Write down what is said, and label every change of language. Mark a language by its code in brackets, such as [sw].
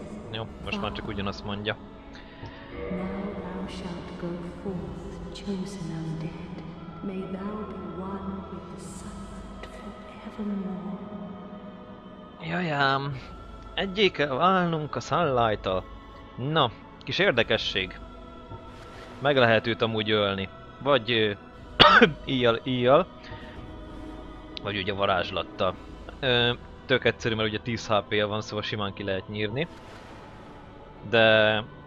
[hu] Jó, most már csak ugyanazt mondja. [en] Now thou shalt go forth, chosen undead. May thou be one with the silent forevermore. [hu] Jajám, egyé kell válnunk a Sunlight-tal. Na, kis érdekesség. Meg lehet őt amúgy ölni. Vagy íjjal. Vagy ugye varázslattal. Tök egyszerű, mert ugye 10 HP-ja van, szóval simán ki lehet nyírni. De...